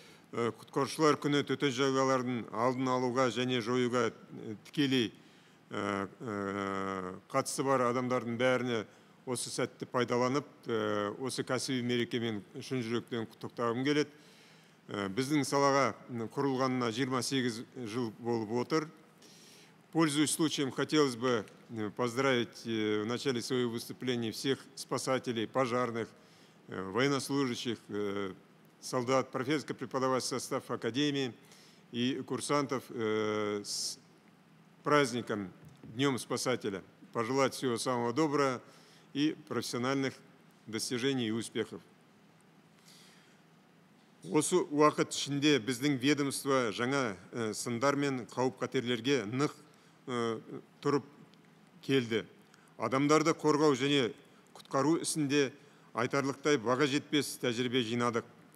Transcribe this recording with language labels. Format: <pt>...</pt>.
<kk>Құтқарушылар күні төтенше жағдайлардың алдын алуға және жоюға тікелей қатысы бар адамдардың бәріне осы сәтті пайдаланып, осы кәсіби мерекемен шын жүректен құттықтағым келеді. Біздің салаға құрылғанына 28 жыл болып отыр.</kk> <ru>Пользуясь случаем, хотелось бы поздравить в начале своего выступления всех спасателей, пожарных, военнослужащих, солдат, профессорско-преподавательский состав Академии и курсантов с праздником, Днем спасателя. Пожелать всего самого доброго и профессиональных достижений и успехов.</ru> <kk>Осы уақыт ішінде біздің ведомство жаңа сындар мен қауіп-қатерлерге нық тұрып келді. Адамдарды қорғау және құтқару ісінде айтарлықтай баға жетпес тәжірибе жинадық.</kk>